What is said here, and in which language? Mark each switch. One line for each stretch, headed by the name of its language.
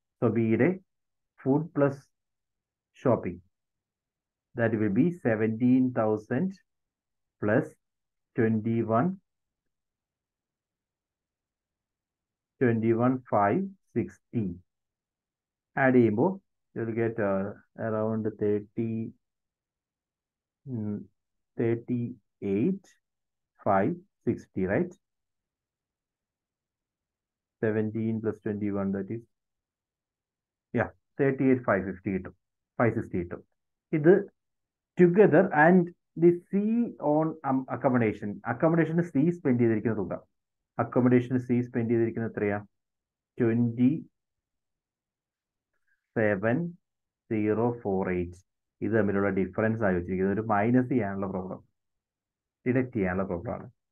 English: So ബിയുടെ food plus shopping that will be 17,000 plus 21,560.
Malayalam: Add ചെയ്യുമ്പോൾ
English: You will get around 38,560, right? 17 plus 21, that is, yeah,
Malayalam: 38,550 കിട്ടും, 560 കിട്ടും. ഇത്
English: together and the C on accommodation,
Malayalam: അക്കോമഡേഷന് C spend ചെയ്തിരിക്കുന്ന തുക, അക്കോമഡേഷന് C spend ചെയ്തിരിക്കുന്ന എത്രയാ? 27,048. ഇത് തമ്മിലുള്ള ഡിഫറൻസ് ആയി വെച്ചിരിക്കുന്നത്, ഒരു മൈനസ് ചെയ്യാനുള്ള പ്രോബ്ലം, ഡിഡക്ട് ചെയ്യാനുള്ള പ്രോബ്ലം ആണ്.